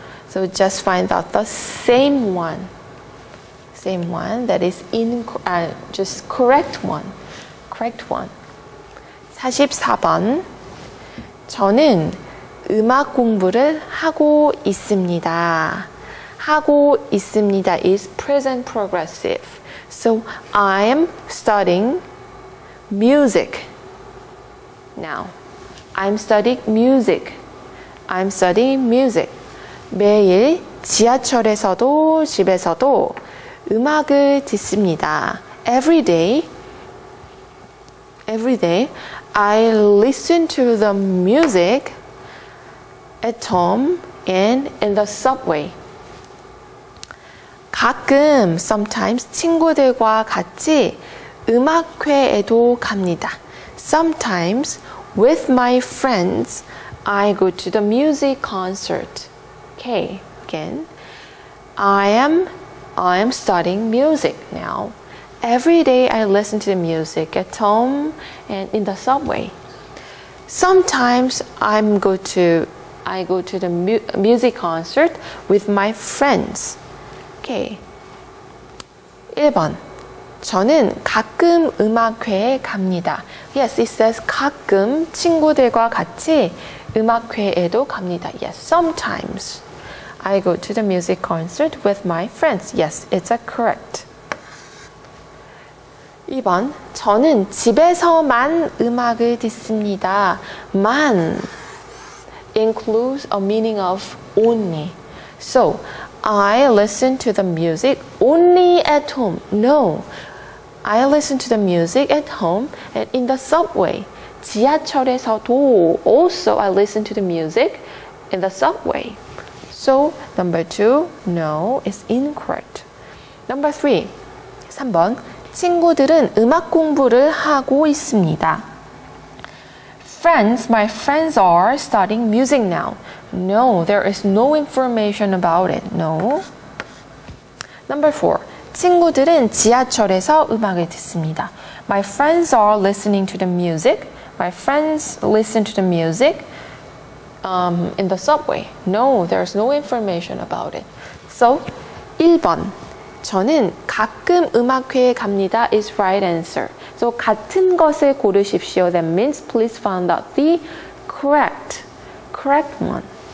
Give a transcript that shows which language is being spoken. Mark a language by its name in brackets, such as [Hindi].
[English] So just find out the same one. Same one that is just correct one. Correct one. [Korean] 44번. 저는 음악 공부를 하고 있습니다. 하고 있습니다 [English] is present progressive. So I am studying music. Now, I'm studying music. I'm studying music. [Korean] 매일 지하철에서도 집에서도 음악을 듣습니다. [English] Every day, I listen to the music at home and in the subway. [Korean] 가끔, [English] sometimes, [Korean] 친구들과 같이 음악회에도 갑니다. [English] Sometimes, with my friends, I go to the music concert. Okay, again. I am studying music now. Every day I listen to the music at home and in the subway. Sometimes I go to the music concert with my friends. Okay. [Korean] 1번. 저는 가끔 음악회에 갑니다. [English] Yes, it says [Korean] 가끔 친구들과 같이 음악회에도 갑니다. [English] Yes, sometimes I go to the music concert with my friends. Yes, it's a correct. [Korean] 2번. 저는 집에서만 음악을 듣습니다. 만 [English] includes a meaning of only. So, I listen to the music only at home. No, I listen to the music at home and in the subway. [Korean] 지하철에서도 [English] also I listen to the music in the subway. So, number 2, no, is incorrect. Number 3, [Korean] 3번. 친구들은 음악 공부를 하고 있습니다. [English] Friends, my friends are studying music now. No, there is no information about it. No. Number 4, [Korean] 친구들은 지하철에서 음악을 듣습니다. [English] My friends are listening to the music. My friends listen to the music in the subway. No, there's no information about it. [Korean] So, 1번. 저는 가끔 음악회에 갑니다 [English] is right answer. [Korean] So, 같은 것을 고르십시오. [English] That means please find out the correct one.